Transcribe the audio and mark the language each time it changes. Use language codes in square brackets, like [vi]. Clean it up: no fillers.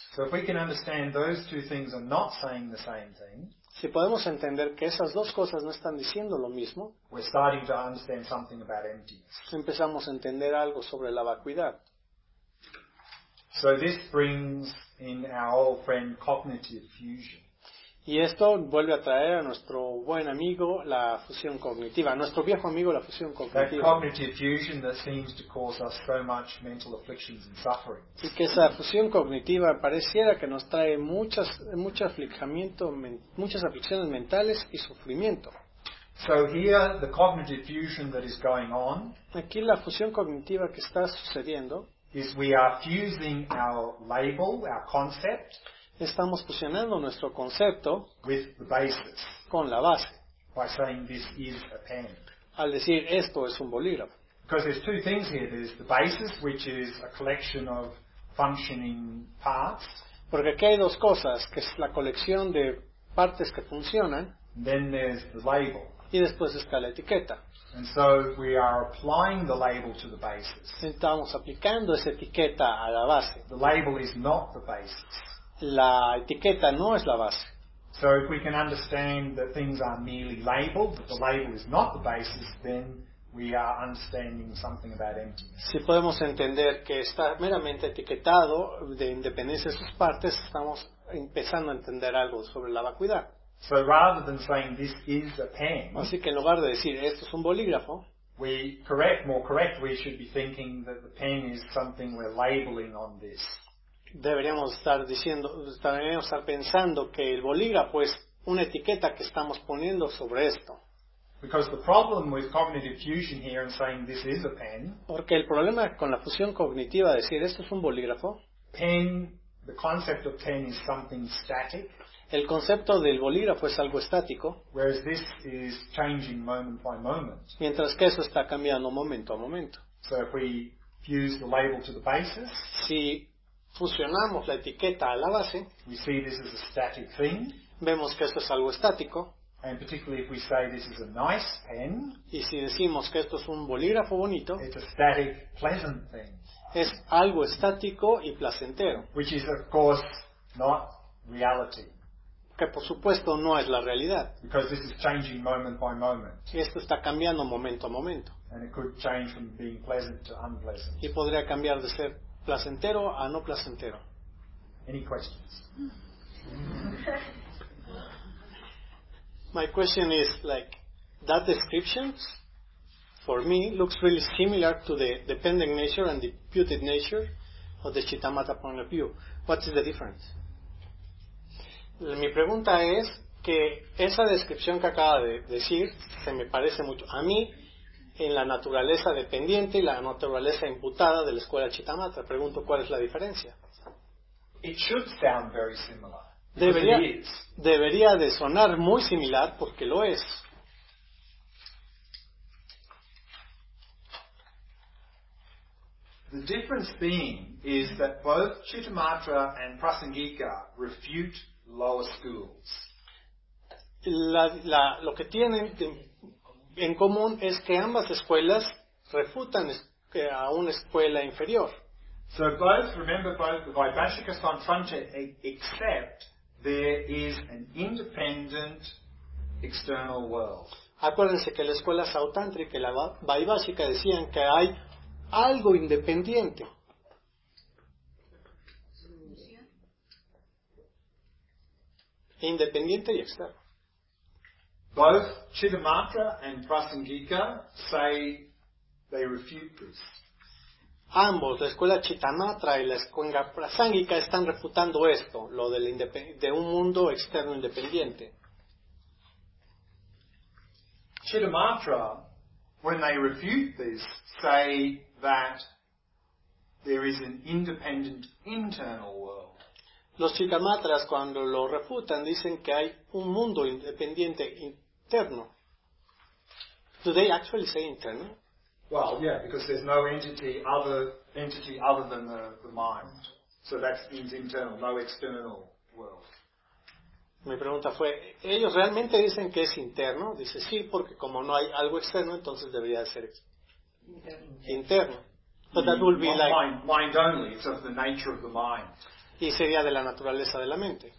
[en] So if we can understand those two things are not saying the same thing. [es] Si podemos entender que esas dos cosas no están diciendo lo mismo. [en] We're starting to understand something about emptiness. [es] Empezamos a entender algo sobre la vacuidad. [en] So this brings in our old friend cognitive fusion. [es] Y esto vuelve a traer a nuestro buen amigo la fusión cognitiva, a nuestro viejo amigo la fusión cognitiva. [en] That cognitive fusion that seems to cause us so much mental afflictions and suffering. [es] Y que esa fusión cognitiva pareciera que nos trae muchas aflicciones mentales y sufrimiento. [en] So here, the cognitive fusion that is going on, [es] aquí la fusión cognitiva que está sucediendo, [en] is we are fusing our label, our concept, [es] estamos fusionando nuestro concepto, [en] with the basis, [es] con la base, [en] by saying this is a pen, [es] al decir esto es un bolígrafo. [en] Because there's two things here. There's the basis, which is a collection of functioning parts. [es] Porque aquí hay dos cosas, que es la colección de partes que funcionan. [en] Then there's the label. [es] Y después está la etiqueta. [en] And so we are applying the label to the basis. [es] Estamos aplicando esa etiqueta a la base. [en] The label is not the basis. [es] La etiqueta no es la base. [en] So if we can understand that things are merely labeled, but the label is not the basis, then we are understanding something about emptiness. [es] Si podemos entender que está meramente etiquetado de independencia de sus partes, estamos empezando a entender algo sobre la vacuidad. [en] So rather than saying this is a pen, [es] así que en lugar de decir esto es un bolígrafo, [en] we should be thinking that the pen is something we're labeling on this. [es] Deberíamos estar pensando que el bolígrafo es una etiqueta que estamos poniendo sobre esto. [en] Because the problem with cognitive fusion here and saying this is a pen, [es] porque el problema con la fusión cognitiva de decir esto es un bolígrafo, [en] pen, the concept of pen is something static. [es] El concepto del bolígrafo es algo estático, [en] whereas this is changing moment by moment. [es] Mientras que eso está cambiando momento a momento. [en] So if we fuse the label to the basis, [es] si fusionamos la etiqueta a la base, [en] we see this is a static thing. [es] Vemos que esto es algo estático. [en] And particularly if we say this is a nice pen, [es] y si decimos que esto es un bolígrafo bonito, [en] it's a static, pleasant thing. [es] Es algo estático y placentero, [en] which is of course not reality. [es] Que por supuesto no es la realidad. [en] Because this is changing moment by moment. [es] Esto está cambiando momento a momento. [en] And it could change from being pleasant to unpleasant. [es] Y podría cambiar de ser placentero a no placentero. [en] Any questions? My question is like that description for me looks really similar to the dependent nature and the putative nature of the Chittamatta point of view. What is the difference? [es] Mi pregunta es que esa descripción que acaba de decir se me parece mucho a mí en la naturaleza dependiente y la naturaleza imputada de la escuela Chittamatta. Pregunto, ¿cuál es la diferencia? [en] It should sound very similar. [es] Debería de sonar muy similar porque lo es. [en] The difference being is that both Chittamatta and Prasangika refute lower schools. [es] Lo que tienen en común es que ambas escuelas refutan a una escuela inferior. [en] So both, remember, both the Vaibhashika Sanfrante accept there is an independent external world. [es] Acuérdense que la escuela Sautantrica y la Vaibhashika decían que hay algo independiente. Independiente y externo. [en] Both Chittamatta and Prasangika say they refute this. [es] Ambos, la escuela Chittamatta y la escuela Prasangika, están refutando esto, lo del de un mundo externo independiente. [en] Chittamatta, when they refute this, say that there is an independent internal world. [es] Los chitamatras cuando lo refutan dicen que hay un mundo independiente interno. [en] Do they actually say internal? Well, yeah, because there's no entity other than the mind. So that means internal, no external world. [es] Mi pregunta fue, ¿ellos realmente dicen que es interno? Dice, sí, porque como no hay algo externo, entonces debería ser interno. [en] But that would be like mind only, it's of the nature of the mind. [es] Y sería de la naturaleza de la mente.